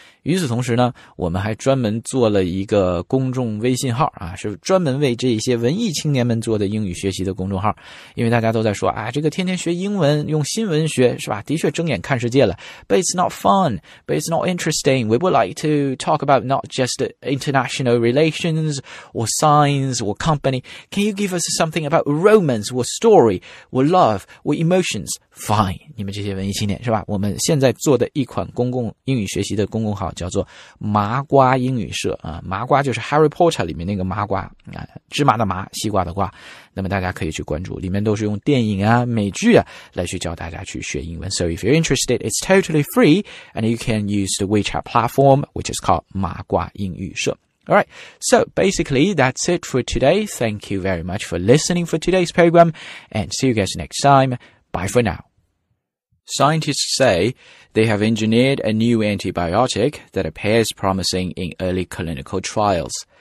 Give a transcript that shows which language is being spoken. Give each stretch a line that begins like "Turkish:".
Chinese: 与此同时呢，我们还专门做了一个公众微信号啊，是专门为这些文艺青年们做的英语学习的公众号。因为大家都在说啊，这个天天学英文用新闻学是吧，的确睁眼看世界了，
English: But it's not fun, but it's not interesting. We would like to talk about not just international relations or science or company. Can you give us something about romance or story or love or emotions?
Chinese: Fine, 你们这些文艺青年是吧，我们现在做的一款公共英语学习的公共号叫做麻瓜英语社啊，麻瓜就是 Harry Potter 里面那个麻瓜啊，芝麻的麻，西瓜的瓜。那么大家可以去关注，里面都是用电影啊、美剧啊来去教大家去学英文。
English: So if you're interested, it's totally free, and you can use the WeChat platform, which is called 麻瓜英语社。 Alright, so basically that's it for today. Thank you very much for listening for today's program, and see you guys next time. Bye for now. Scientists say they have engineered a new antibiotic that appears promising in early clinical trials.